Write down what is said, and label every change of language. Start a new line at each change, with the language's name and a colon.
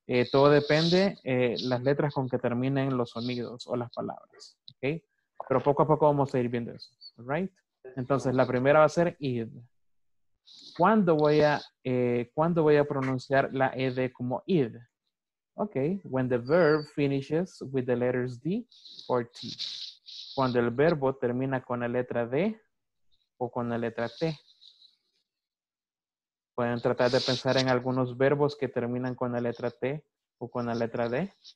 Spanish: Todo depende las letras con que terminen los sonidos o las palabras, ¿ok? Pero poco a poco vamos a ir viendo eso, ¿right? Entonces, la primera va a ser id. ¿Cuándo voy a pronunciar la ed como id?
English: Ok, when the verb finishes with the letters D or T.
Spanish: Cuando el verbo termina con la letra D o con la letra T. Pueden tratar de pensar en algunos verbos que terminan con la letra T o con la letra D.